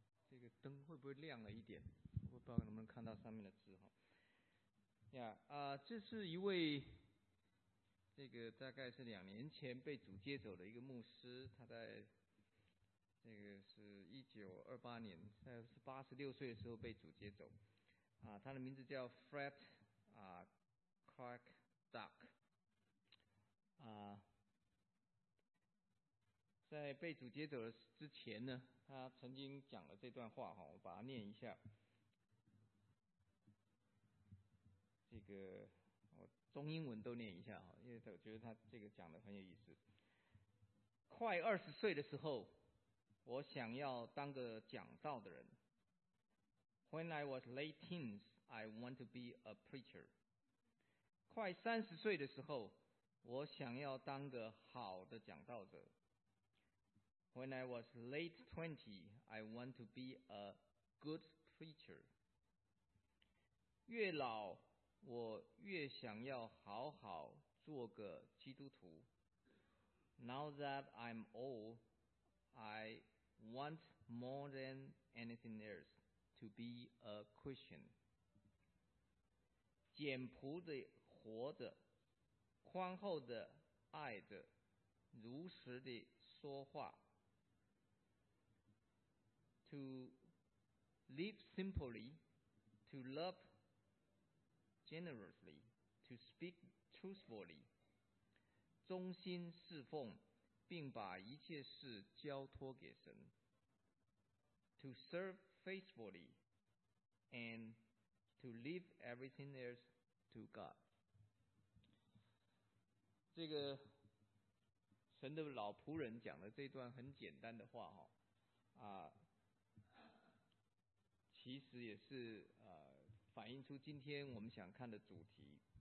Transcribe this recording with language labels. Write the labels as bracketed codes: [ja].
[zh] 这个灯会不会亮了一点？我不知道能不能看到上面的字哈。这是一位，这个大概是两年前被主接走的一个牧师，他在。这个是1928年，在86岁的时候被主接走。他的名字叫 Fred Clark Duck。在被主接走的之前呢，他曾经讲了这段话，我把它念一下。这个我中英文都念一下，因为我觉得他这个讲的很有意思。快20岁的时候，我想要当个讲道的人。 [en] When I was late teens, I want to be a preacher. [zh] 快30岁的时候，我想要当个好的讲道者。 [en] When I was late 20, I want to be a good preacher. [zh] 越老，我越想要好好做个基督徒。 [en] Now that I'm old, I want more than anything else to be a Christian. [zh] 简朴的活着，宽厚的爱着，如实的说话。 [en] To live simply, to love generously, to speak truthfully, [zh] 忠心侍奉，并把一切事交托给神。 [en] To serve faithfully and to leave everything else to God. [zh] 这个神的老仆人讲的这段很简单的话，其实也是反映出今天我们想看的主题。